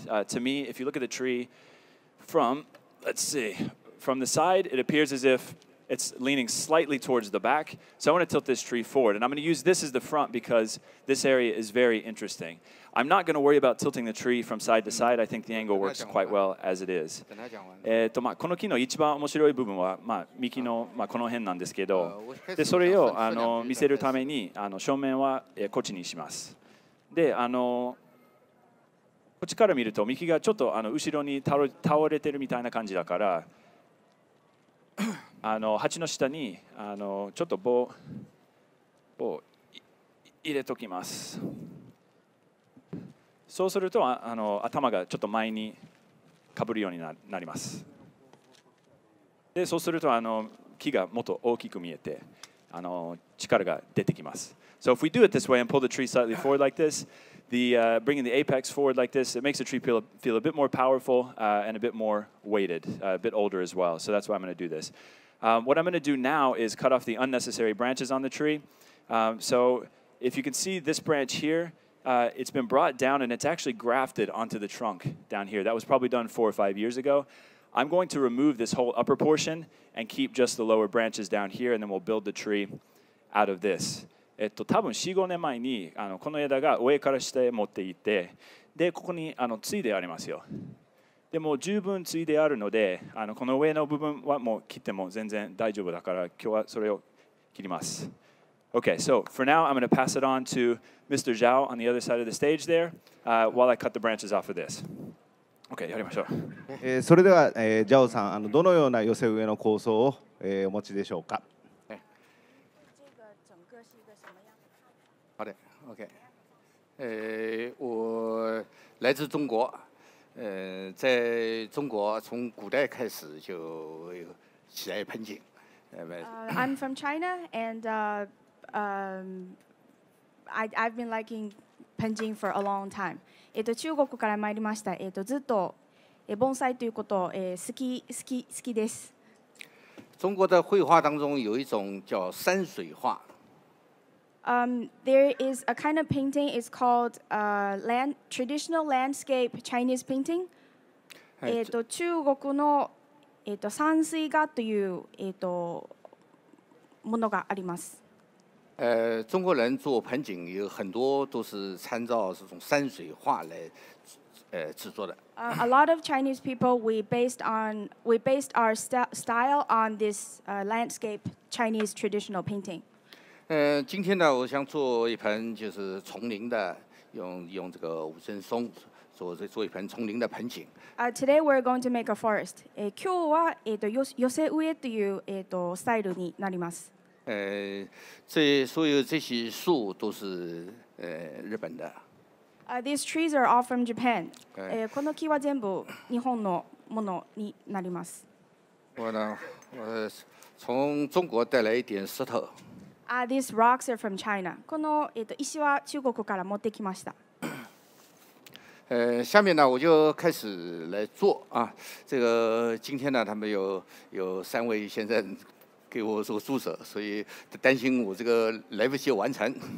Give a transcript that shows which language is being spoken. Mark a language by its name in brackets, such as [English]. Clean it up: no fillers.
[English] To me, if you look at the tree from, let's see, from the side, it appears as if it's leaning slightly towards the back. So I want to tilt this tree forward, and I'm going to use this as the front because this area is very interesting. I'm not going to worry about tilting the tree from side to side. I think the angle works quite well as it is. [Japanese] この木の一番面白い部分は、幹の、この辺なんですけど、でそれを見せるために正面はこっちにします。で、こっちから見ると幹がちょっと後ろに倒れてるみたいな感じだから、鉢の下にちょっと棒を入れときます。そうすると頭がちょっと前にかぶるようになります。で、そうすると木がもっと大きく見えて力が出てきます。 [English] So if we do it this way and pull the tree slightly forward like this, bringing the apex forward like this, it makes the tree feel a bit more powerful, and a bit more weighted, a bit older as well. So that's why I'm going to do this. What I'm going to do now is cut off the unnecessary branches on the tree. So if you can see this branch here,it's been brought down and it's actually grafted onto the trunk down here. That was probably done 4 or 5 years ago. I'm going to remove this whole upper portion and keep just the lower branches down here, and then we'll build the tree out of this. [Japanese] 多分 4、5 年前にこの枝が上から下へ持っていって、で、ここに継いでありますよ。でも十分継いであるので、この上の部分はもう切っても全然大丈夫だから、今日はそれを切ります。 [English] Okay, so for now I'm going to pass it on to Mr. Zhao on the other side of the stage there, while I cut the branches off of this. [Japanese] Okay, やりましょう。それでは、ジャオさん、どのような寄せ植えの構想を、お持ちでしょうか。 [Chinese] 好的 ，OK。我来自中国，在中国从古代开始就喜爱盆景。 [English] I'm from China and I've been liking 盆景 for a long time. [Japanese] 中国から参りました。ずっと盆栽ということ好きです。 [Chinese] 中国的绘画当中有一种叫山水画。 [English] There is a kind of painting. It's called traditional landscape Chinese painting. [Japanese] 中国の山水画というものがあります。 [Chinese] 中国人做盆景有很多都是参照这种山水画来制作的。 [English] A lot of Chinese people we based our style on this landscape Chinese traditional painting. [Chinese] 今天呢，我想做一盆就是丛林的，用这个五针松做一盆丛林的盆景。 [English] Today we're going to make a forest. [Japanese] 今日は寄せ植えというスタイルになります。 [Chinese] 所有这些树都是日本的。 [English] These trees are all from Japan. [Japanese] この木は全部日本のものになります。 [Chinese] 我呢，我从中国带来一点石头。 [English] These rocks are from China. [Japanese] この石は中国から持ってきました。 [Chinese] 下面呢我就开始来做啊。这个今天呢，他们有三位先生。给我做助手，所以担心我这个来不及完成。